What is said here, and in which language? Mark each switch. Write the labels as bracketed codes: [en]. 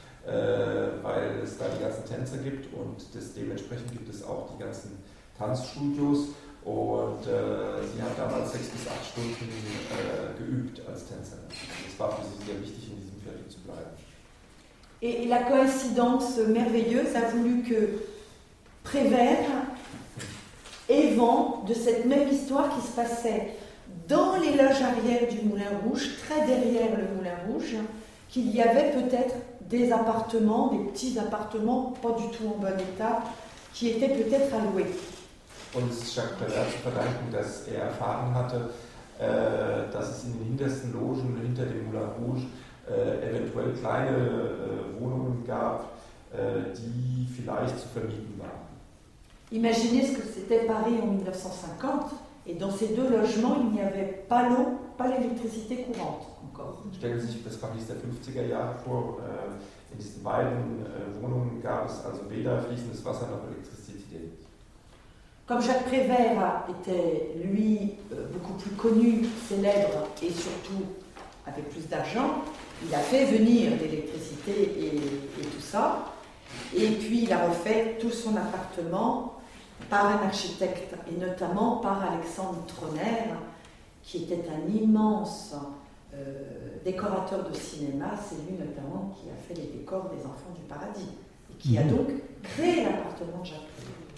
[de] Weil es da die ganzen Tänzer gibt und dementsprechend gibt es auch die ganzen Tanzstudios und sie hat damals 6 bis 8 Stunden geübt als Tänzerin. Es war für sie sehr wichtig, in diesem Viertel zu bleiben. [fr] Et la coïncidence merveilleuse a voulu que Prévert ait vent de cette même histoire qui se passait dans les loges arrière du Moulin Rouge, très derrière le Moulin Rouge, qu'il y avait peut-être des appartements, des petits appartements, pas du tout en bon état, qui étaient peut-être à louer. [de] Und es ist Jacques Prévert zu verdanken, dass er erfahren hatte, dass es in den hintersten Logen hinter dem Moulin Rouge eventuell kleine Wohnungen gab, die vielleicht zu vermieten waren. [fr] Imaginez ce que c'était Paris en 1950, et dans ces deux logements, il n'y avait pas l'eau, pas l'électricité courante. [de] Stellen Sie sich das Paris der 50er Jahre vor, in diesen beiden Wohnungen gab es also weder fließendes Wasser noch Elektrizität. [fr] Comme Jacques Prévert était lui beaucoup plus connu, célèbre et surtout avec plus d'argent, il a fait venir l'électricité et tout ça, et puis il a refait tout son appartement par un architecte, et notamment par Alexandre Troner, qui était un immense décorateur de cinéma, c'est lui notamment qui a fait les décors des Enfants du Paradis et qui a donc créé l'appartement de Jacques Prévert.